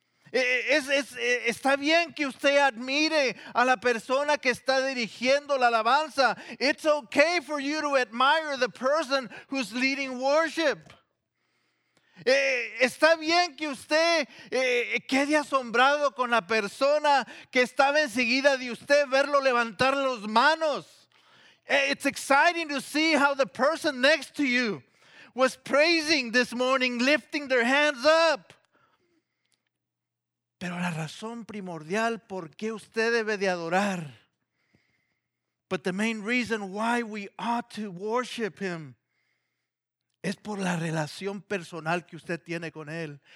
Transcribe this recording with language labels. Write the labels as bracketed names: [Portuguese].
[Spanish] Está bien que usted admire a la persona que está dirigiendo la alabanza. [English] It's okay for you to admire the person who's leading worship. [Spanish] Está bien que usted quede asombrado con la persona que estaba enseguida de usted verlo levantar las manos. [English] It's exciting to see how the person next to you was praising this morning, lifting their hands up. [Spanish] Pero la razón primordial por qué usted debe de adorar, [English] but the main reason why we ought to worship him, [Spanish] es por la relación personal que usted tiene con él.